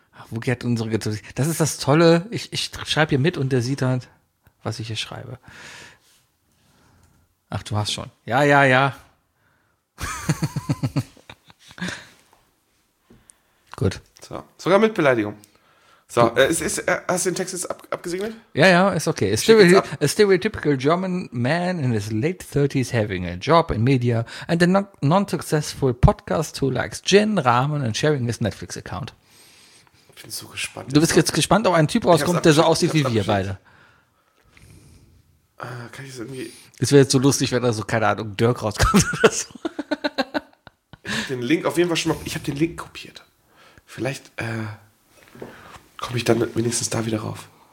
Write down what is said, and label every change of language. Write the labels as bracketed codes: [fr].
[de] Wo geht unsere Getränke? Das ist das Tolle. Ich schreibe hier mit und der sieht halt, was ich hier schreibe. Ach, du hast schon. Ja. Gut. So, sogar mit Beleidigung. So, hast du den Text jetzt abgesegnet? Ja, ist okay. [en] A stereotypical German man in his late 30s having a job in media and a non-successful podcast who likes gin, ramen and sharing his Netflix account. [de] Ich bin so gespannt. Du bist jetzt gespannt, ob ein Typ rauskommt, der so aussieht wie wir beide. Kann ich das irgendwie. Es wäre jetzt so lustig, wenn da so, keine Ahnung, Dirk rauskommt oder so. Ich habe den Link kopiert. Vielleicht komme ich dann wenigstens da wieder rauf.